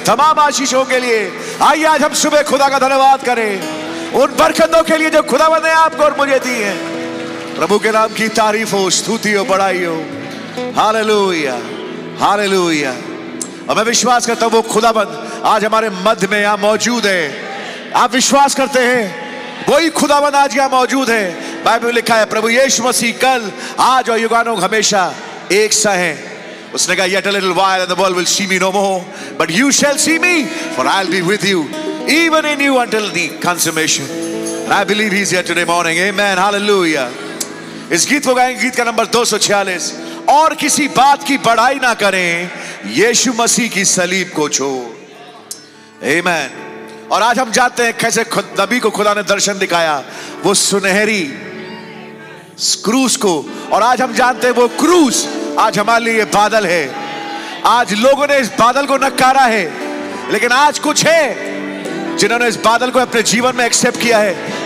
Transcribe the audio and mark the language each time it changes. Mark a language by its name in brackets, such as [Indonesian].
[Hindi] तमाम आशीषों के लिए आइए आज हम सुबह खुदा का धन्यवाद करें, उन बरकतों के लिए जो खुदा ने आपको और मुझे दी है, प्रभु के नाम की तारीफ हो, स्तुति हो, बढ़ाई हो, हालेलुया, हालेलुया। और मैं विश्वास करता हूँ वो खुदाबंद आज हमारे मध्य में यहाँ मौजूद है, आप विश्वास करते हैं वही खुदाबंद आज यहाँ मौजूद है। बाइबल में लिखा है प्रभु यीशु मसीह कल आज और युगानुग हमेशा एक सा है। उसने कहा [English] yet a little while and the world will see me no more, but you shall see me, for I'll be with you, even in you until the consummation. And I believe he's here today morning. Amen. Hallelujah. [Hindi] इस गीत को गाएंगे, गीत का number 246, और किसी बात की बड़ाई ना करें, यीशु मसीह की सलीब को छोड़। आमीन। और आज हम जानते हैं कैसे नबी को खुदा ने दर्शन दिखाया, वो सुनहरी क्रूस को, और आज हम जानते हैं वो क्रूस आज हमारे लिए बादल है, आज लोगों ने इस बादल को नकारा है, लेकिन आज कुछ है जिन्होंने इस बादल को अपने जीवन में एक्सेप्ट किया है।